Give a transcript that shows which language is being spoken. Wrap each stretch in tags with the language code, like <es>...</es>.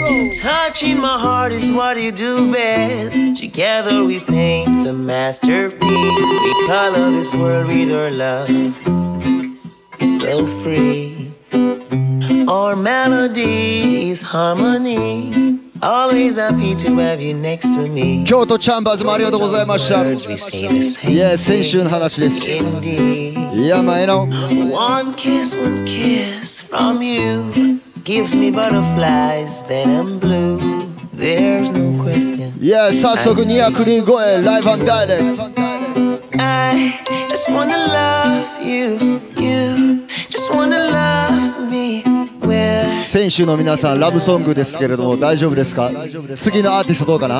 <en>Touching my heart is what you do best Together we paint the masterpiece We color this world with our love So free Our melody is harmony Always happy to have you next to me</en> <ja>京都チャンバーズもありがとうございました。</ja> <en>Yeah,</en> <ja>先週の話です。</ja> <en>Yeah, my no. One kiss from you gives me butterflies, then I'm blue. There's no question. Yeah,</en> <ja>早速ニアクリー越え、</ja> <en>live and direct. I just wanna love you, you just wanna love me.</en> <ja>選手の皆さんラブソングですけれども大丈夫ですか。次のアーティストどうかな。</ja>